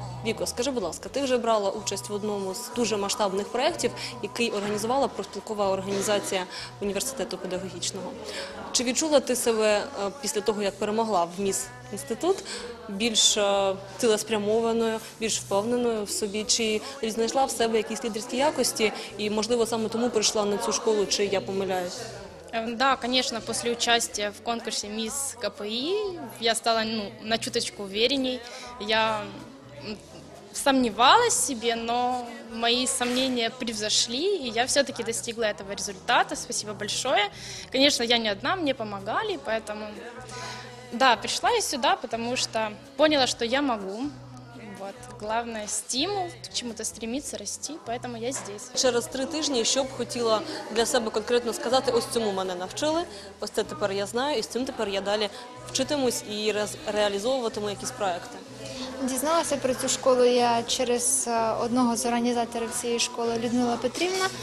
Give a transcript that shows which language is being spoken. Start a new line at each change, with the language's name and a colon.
Ukrainian: Віко, скажи, будь ласка, ти вже брала участь в одному з дуже масштабних проєктів, який організувала профспілкова організація університету педагогічного. Чи відчула ти себе після того, як перемогла в міс інститут, більш цілеспрямованою, більш впевненою в собі? Чи знайшла в себе якісь лідерські якості і, можливо, саме тому прийшла на цю школу, чи я помиляюсь?
Russian: Да, конечно, после участия в конкурсе мисс КПИ я стала, ну, на чуточку уверенней. Я сомневалась в себе, но мои сомнения превзошли, и я все-таки достигла этого результата. Спасибо большое. Конечно, я не одна, мне помогали, поэтому да, пришла я сюда, потому что поняла, что я могу. Вот. Главное, стимул к чему-то стремиться, расти, поэтому я здесь.
Ukrainian: Через три тижні, що б хотіла для себе конкретно сказати, ось цьому мене навчили, ось це тепер я знаю, і з цим тепер я далі вчитимусь і реалізовуватиму якісь проекти. Дізналася про цю школу я через одного з організаторів цієї школи, Людмила Петрівна.